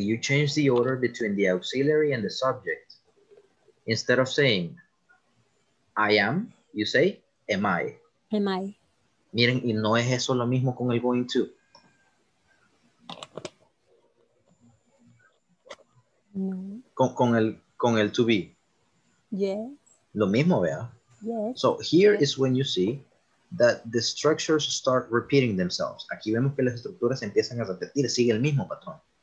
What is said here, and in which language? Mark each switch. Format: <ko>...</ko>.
<en>You change the order between the auxiliary and the subject. Instead of saying, I am, you say, am I.</en> <es>Miren, y no es eso lo mismo con el going to. Con el to be.</es> <en>Yes.</en> <es>Lo mismo, vea.</es> <en>Yes. So here is when you see that the structures start repeating themselves.</en> <es>Aquí vemos que las estructuras empiezan a repetir, sigue el mismo patrón.</es>